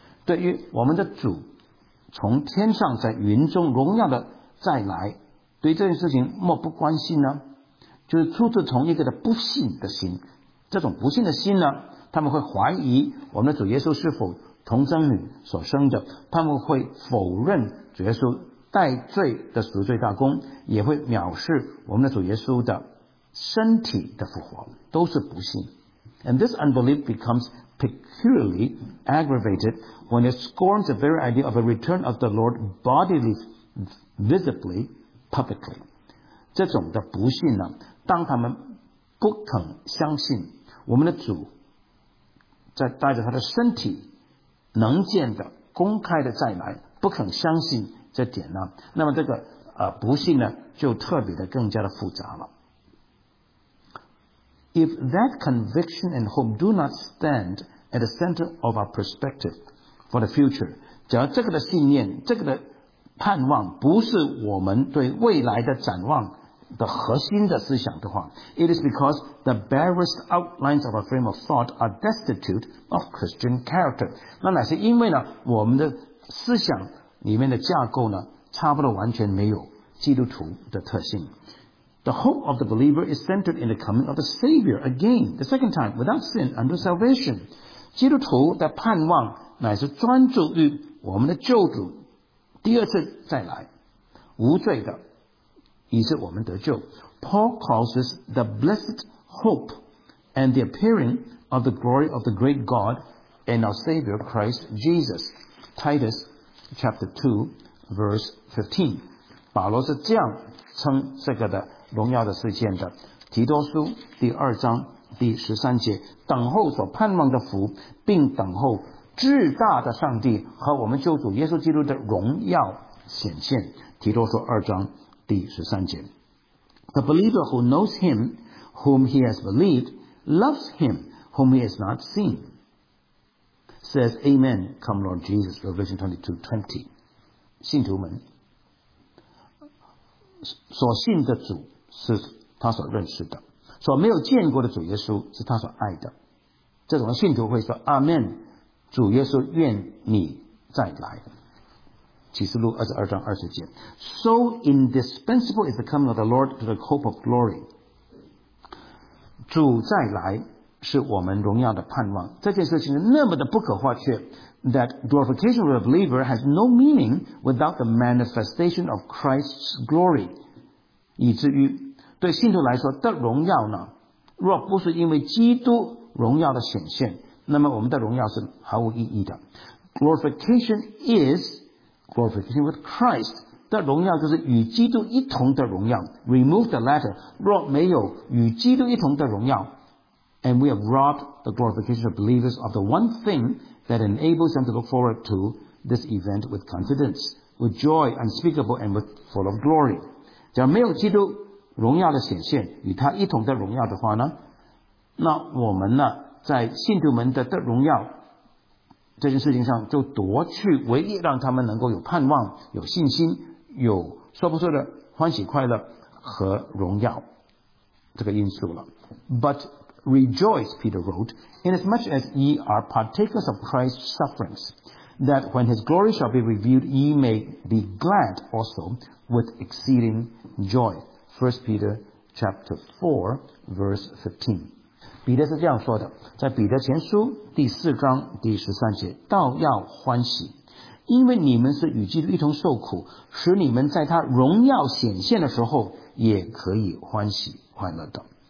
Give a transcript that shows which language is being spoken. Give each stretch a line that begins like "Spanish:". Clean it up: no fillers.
Chinese: 对于我们的主从天上在云中荣耀的再来，对这件事情漠不关心呢，就是出自从一个的不信的心。这种不信的心呢，他们会怀疑我们的主耶稣是否童贞女所生的，他们会否认主耶稣代罪的赎罪大功，也会藐视我们的主耶稣的身体的复活，都是不信。
English: And this unbelief becomes peculiarly aggravated when it scorns the very idea of a return of the Lord bodily, visibly, publicly。
Chinese: 这种的不信呢，当他们不肯相信我们的主在带着他的身体能见的公开的再来，不肯相信这点呢，那么这个不信呢，就特别的更加的复杂了。
English: If that conviction and hope do not stand at the center of our perspective for the future，
Chinese: 只要这个的信念这个的盼望不是我们对未来的展望的核心的思想的话，
English: It is because the barest outlines of our frame of thought are destitute of Christian character。
Chinese: 那乃是因为呢，我们的思想里面的架构呢，差不多完全没有基督徒的特性。
English: The hope of the believer is centered in the coming of the Savior again, the second time, without sin, under salvation。
Chinese: 基督徒的盼望乃是专注于我们的救主第二次再来无罪的，以致我们得救。
English: Paul calls this the blessed hope and the appearing of the glory of the great God and our Savior Christ Jesus。 Titus chapter 2 verse 15，
Chinese: 保罗是这样称这个的荣耀的事件的。提多书第二章第十三节，等候所盼望的福，并等候至大的上帝和我们救主耶稣基督的荣耀显现。提多书二章第十三节。
English: The believer who knows him whom he has believed loves him whom he has not seen says Amen, come Lord Jesus, Revelation 22:20。
Chinese: 信徒们所信的主是他所认识的，所没有见过的主耶稣是他所爱的。这种信徒会说 Amen， 主耶稣愿你再来。启示录二十二章二十节。
English: So indispensable is the coming of the Lord to the hope of glory。
Chinese: 主再来是我们荣耀的盼望。这件事情是那么的不可或缺
English: that glorification of a believer has no meaning without the manifestation of Christ's glory.
Chinese: 以至于对信徒来说的荣耀呢，若不是因为基督荣耀的显现，那么我们的荣耀是毫无意义的。
English: Glorification is glorification with Christ.
Chinese: 的荣耀就是与基督一同的荣耀。
English: Remove the latter.
Chinese: 若没有与基督一同的荣耀，
English: and we have robbed the glorification of believers of the one thing that enables them to look forward to this event with confidence, with joy unspeakable and with full of glory.
Chinese: 假如没有基督荣耀的显现，与他一同的荣耀的话呢，那我们呢，在信徒们的荣耀这件事情上就夺去唯一让他们能够有盼望、有信心、有说不出的欢喜快乐和荣耀这个因素了。
English: But rejoice, Peter wrote, inasmuch as ye are partakers of Christ's sufferings, that when his glory shall be revealed, ye may be glad also with exceeding joy. 1 Peter chapter 4 verse 15。
Chinese: 彼得是这样说的，在彼得前书第四章第十三节，倒要欢喜，因为你们是与基督一同受苦，使你们在他荣耀显现的时候也可以欢喜快乐的。